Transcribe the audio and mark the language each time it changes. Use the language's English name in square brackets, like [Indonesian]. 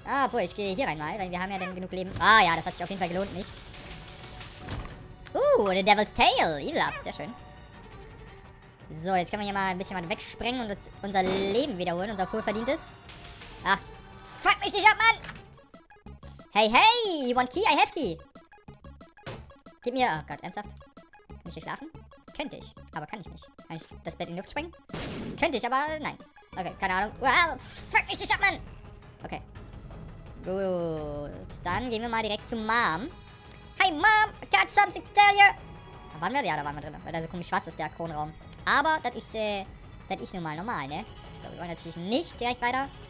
[German] Ah, boah, ich gehe hier rein mal, weil wir haben ja dann genug Leben. Ah ja, das hat sich auf jeden Fall gelohnt, nicht? The Devil's Tail. Evil Up, sehr schön. So, jetzt können wir hier mal ein bisschen was wegsprengen und unser Leben wiederholen, unser wohlverdientes. Ach, fuck mich nicht ab, Mann! [English] Hey, hey, you want key? I have key. [German] Gib mir... Oh Gott, ernsthaft? Kann ich hier schlafen? Könnte ich, aber kann ich nicht. Kann ich das Bett in die Luft sprengen? Könnte ich, aber nein. Okay, keine Ahnung. Wow, fuck mich nicht ab, Mann! Okay. Gut, dann gehen wir mal direkt zu Mom. [English] Hi, Mom, I got something to tell you. [German] Da waren wir? Ja, da waren wir drin, weil da so komisch schwarz ist, der Kronraum. Aber das ist nun mal normal, ne? So, wir wollen natürlich nicht direkt weiter.